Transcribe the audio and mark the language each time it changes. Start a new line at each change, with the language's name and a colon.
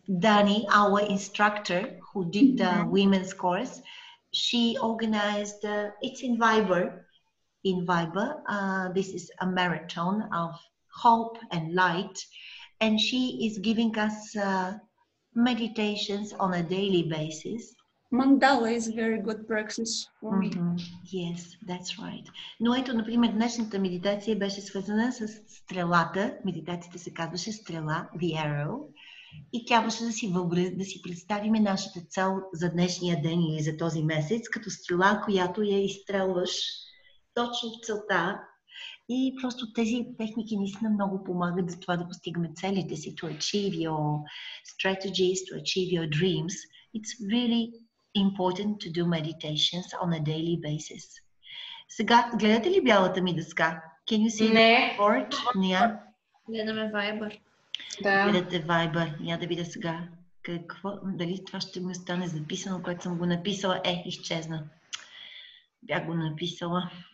English: Dani, our instructor who did the women's course, she organized, it's in Viber. In Viber, this is a marathon of hope and light. And she is giving us meditations on a daily basis. Mandala is a very good practice for me. Mm-hmm. Yes, that's right.
Bulgarian: Но ето, например, днешната медитация беше свързана с стрелата. Медитацията се казваше стрела,
English: the arrow.
Bulgarian: И тя беше да си представим нашата цел за днешния ден или за този месец, като стрела, която я изстрелваш точно в целта. И просто тези техники наистина много помагат за това да постигаме целите си.
English: To achieve your strategies, to achieve your dreams. It's really important to do meditations on a daily basis.
Bulgarian: Сега, гледате ли бялата ми дъска?
English: Can you see the board?
Bulgarian: Не. Гледаме Viber. Да. Видате вайба. Я да видя сега. Какво? Дали това ще ми остане записано, което съм го написала? Е, изчезна. Бях го написала.